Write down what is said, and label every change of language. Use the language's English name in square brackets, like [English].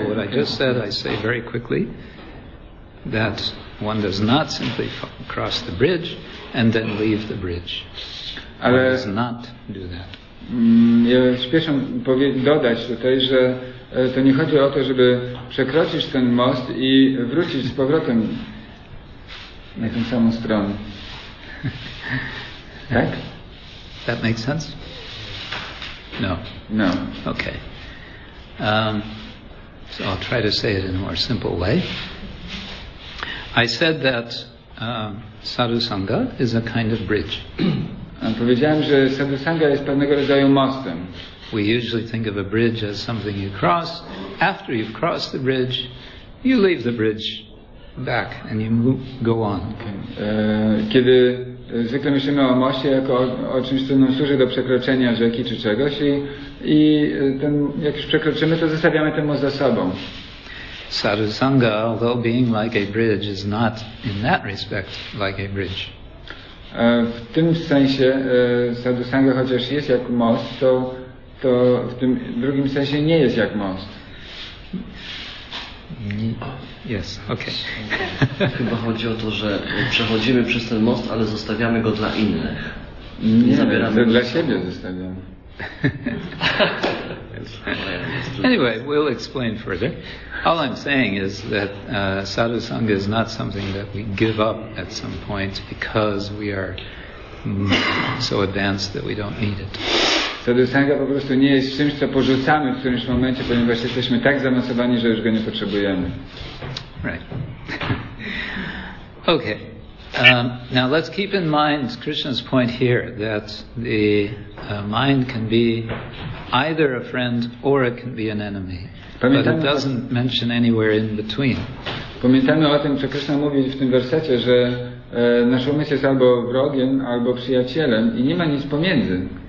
[English] I say very quickly that one does not simply cross the bridge and then leave the bridge. One does not do that. [Polish] Ja śpieszę dodać tutaj, że to nie chodzi o to, żeby przekroczyć ten most i wrócić z powrotem na tę samą stronę. Tak? [English] That makes sense? No. No. Okay. So I'll try to say it in a more simple way. I said that sadhusanga is a kind of bridge. [Polish] Powiedziałem, że sadhusanga jest pewnego rodzaju mostem. [English] We usually think of a bridge as something you cross. After you've crossed the bridge, you leave the bridge back and you go on. Okay. [Polish] Kiedy zwykle myślimy o moście jako o czymś, co nam służy do przekroczenia rzeki czy czegoś i ten, jak już przekroczymy, to zostawiamy ten most za sobą. [English] Sadhusanga, although being like a bridge, is not in that respect like a bridge. [Polish] W tym sensie sadhusanga, chociaż jest jak most, to w tym drugim sensie nie jest jak most. [English] Yes, okay. [Polish] Chyba chodzi o to, że przechodzimy przez ten most, ale zostawiamy go dla innych. Nie, zabieramy dla siebie zostawiamy. [English] Anyway, we'll explain further. All I'm saying is that sadhusanga is not something that we give up at some point because we are so advanced that we don't need it. [Polish] Sadhusanga po prostu nie jest czymś, co porzucamy w którymś momencie, ponieważ jesteśmy tak zaawansowani, że już go nie potrzebujemy. [English] Right. Okay. Now let's keep in mind Krishna's point here that the mind can be either a friend or it can be an enemy. [Polish] Pamiętamy, [English] but it doesn't mention anywhere in between. [Polish] Pamiętamy o tym, co Krishna mówi w tym wersecie, że nasz umysł jest albo wrogiem, albo przyjacielem i nie ma nic pomiędzy.